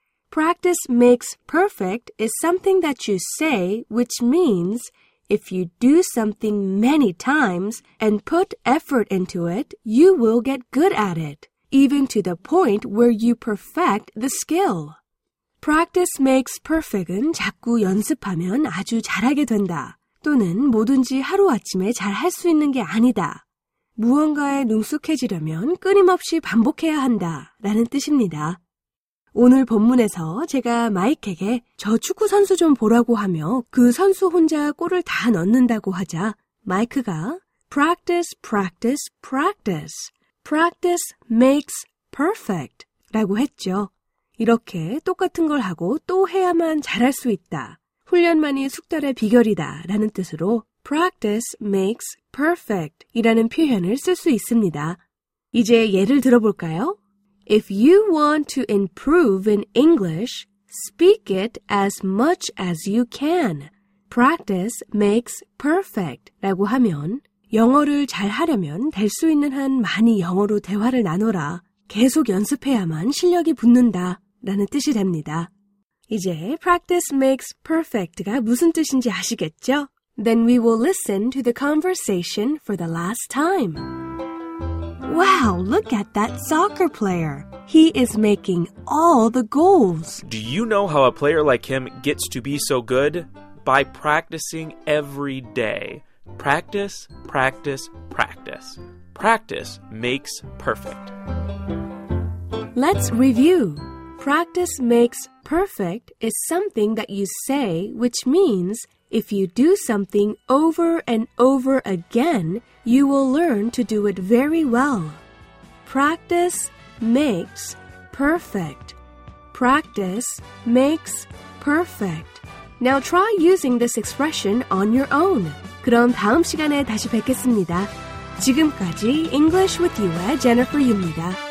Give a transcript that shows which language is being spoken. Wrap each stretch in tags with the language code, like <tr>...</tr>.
<en>Practice makes perfect is something that you say, which means if you do something many times and put effort into it, you will get good at it, even to the point where you perfect the skill. Practice makes perfect</en> <ko>은 자꾸 연습하면 아주 잘하게 된다, 또는 뭐든지 하루아침에 잘할 수 있는 게 아니다. 무언가에 능숙해지려면 끊임없이 반복해야 한다, 라는 뜻입니다. 오늘 본문에서 제가 마이크에게 저 축구 선수 좀 보라고 하며 그 선수 혼자 골을 다 넣는다고 하자 마이크가</ko> <en>Practice, practice, practice. Practice makes perfect.</en> <ko>라고 했죠. 이렇게 똑같은 걸 하고 또 해야만 잘할 수 있다. 훈련만이 숙달의 비결이다. 라는 뜻으로</ko> <en>Practice makes perfect.</en> <ko>이라는 표현을 쓸 수 있습니다. 이제 예를 들어볼까요?</ko> <en>If you want to improve in English, speak it as much as you can. Practice makes perfect.</en> <ko>라고 하면 영어를 잘 하려면 될 수 있는 한 많이 영어로 대화를 나눠라. 계속 연습해야만 실력이 붙는다. 라는 뜻이 됩니다. 이제</ko> <en>practice makes perfect</en> <ko>가 무슨 뜻인지 아시겠죠?</ko> <en>Then we will listen to the conversation for the last time. Wow, look at that soccer player. He is making all the goals. Do you know how a player like him gets to be so good? By practicing every day. Practice, practice, practice. Practice makes perfect. Let's review. Practice makes perfect is something that you say, which means if you do something over and over again, you will learn to do it very well. Practice makes perfect. Practice makes perfect. Now try using this expression on your own.</en> <ko>그럼 다음 시간에 다시 뵙겠습니다. 지금까지 English with You의 Jennifer 유입니다.</ko>